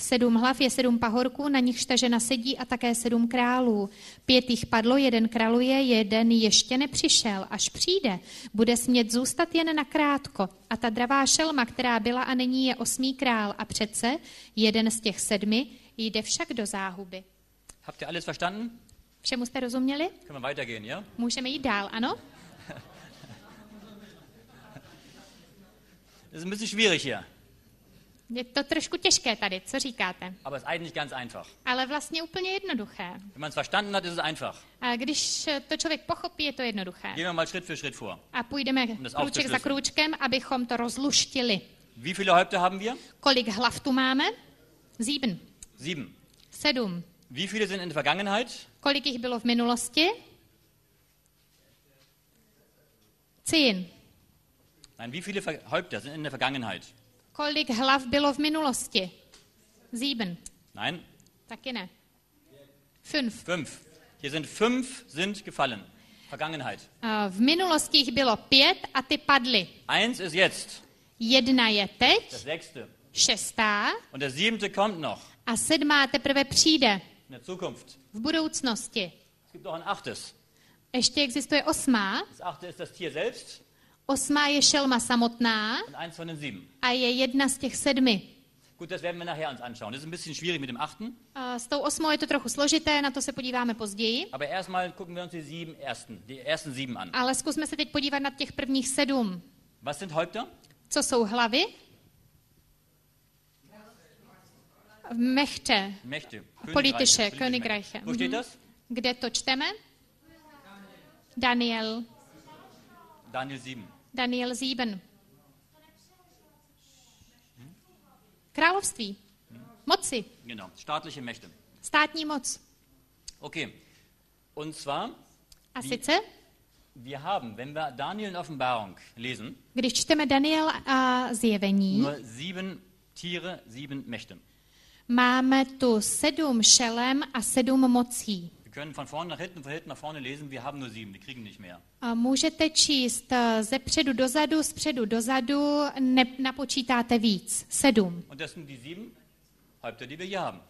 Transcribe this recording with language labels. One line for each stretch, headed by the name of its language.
Czech: Sedm hlav je sedm pahorků, na nichž ta žena sedí a také sedm králů. Pět jich padlo, jeden kraluje, jeden ještě nepřišel. Až přijde, bude smět zůstat jen nakrátko. A ta dravá šelma, která byla a nyní je osmý král a přece jeden z těch sedmi jde však do záhuby.
German: Habt ihr alles verstanden?
Czech: Všemu jste rozuměli?
German: Können wir weitergehen, ja?
Czech: Můžeme jít dál, ano?
German: Das ist ein bisschen schwierig hier.
Czech: Je to trošku těžké tady, co říkáte?
German: Aber es ist eigentlich ganz einfach.
Czech: Ale vlastně úplně jednoduché.
German: Wenn man es verstanden hat, ist es einfach.
Czech: A když to člověk pochopí, je to jednoduché.
German: Gehen wir mal Schritt für Schritt vor.
Czech: A půjdeme krůček za krůčkem, abychom to rozluštili.
German: Wie viele Häupter haben wir?
Czech: Kolik hlav tu máme?
German: Sieben. Sieben.
Czech: Sedm.
German: Wie viele sind in der Vergangenheit?
Czech: Kolik jich bylo v minulosti?
German: Zehn. Nein, wie viele Häupter sind in der Vergangenheit?
Czech: Kolik hlav bylo v minulosti?
German: Sieben. Nein.
Czech: Taky ne.
German: Fünf. Fünf. Hier sind fünf sind gefallen. Vergangenheit.
Czech: V minulosti jich bylo pět a ty padly.
German: Eins ist jetzt.
Czech: Jedna je teď.
German: Das sechste.
Czech: Šestá.
German: Und der siebte kommt noch.
Czech: A sedmá teprve přijde.
German: In der Zukunft.
Czech: V budoucnosti.
German: Es gibt noch ein achtes.
Czech: Ještě existuje osmá.
German: Das achte ist das Tier selbst.
Czech: Osmá je šelma samotná a je jedna z těch sedmi.
German: Gut, das werden wir nachher uns anschauen. Das ist ein bisschen schwierig mit dem achten.
Czech: S tou osmou je to trochu složité, na to se podíváme později.
German: Aber erstmal gucken wir uns die sieben ersten, die ersten sieben an.
Czech: Ale zkusme se teď podívat na těch prvních sedm.
German: Was sind Häupter?
Czech: Co jsou hlavy?
German: Mächte. Mächte. Politische, Königreiche. Wo steht das?
Czech: Kde to čteme? Daniel. Daniel 7. Daniel 7. Království. Moci.
German: Genau, staatliche Mächte.
Czech: Státní moc.
German: Okay. Und zwar
Czech: a sice?
German: Wir haben, wenn wir Daniel in Offenbarung lesen.
Czech: Když čteme Daniel a Zjevení.
German: Nur sieben Tiere, sieben Mächte.
Czech: Máme tu sedm šelem a sedm mocí.
German: Können von vorne nach hinten, von hinten nach vorne lesen, wir haben nur sieben, wir kriegen nicht mehr.
Czech: Můžete číst ze předu dozadu, z předu dozadu, napočítáte víc, sedm.
German: Und das sind die sieben Häupter, die wir hier haben.